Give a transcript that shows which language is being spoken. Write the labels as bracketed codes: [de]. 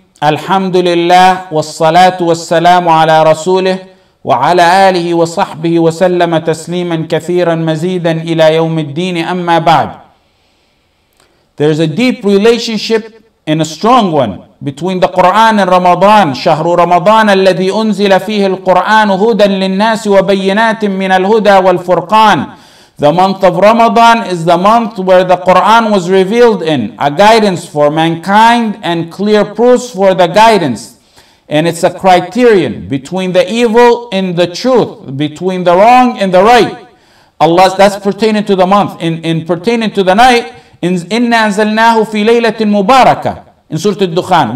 [ar] الحمد لله والصلاة والسلام على رسوله وعلى آله وصحبه وسلم تسليما كثيرا مزيدا إلى يوم الدين. أما بعد, [en] there's a deep relationship and a strong one between the Quran and Ramadan. [ar] شهر رمضان الذي أنزل فيه القرآن هدى للناس وبينات من الهدى والفرقان. [en] The month of Ramadan is the month where the Quran was revealed in, a guidance for mankind and clear proofs for the guidance. And it's a criterion between the evil and the truth, between the wrong and the right. Allah, that's pertaining to the month. In pertaining to the night, [ar] إِنَّا أَنزَلْنَاهُ فِي لَيْلَةٍ مُبَارَكَةٍ [en] in Surah Al-Dukhan.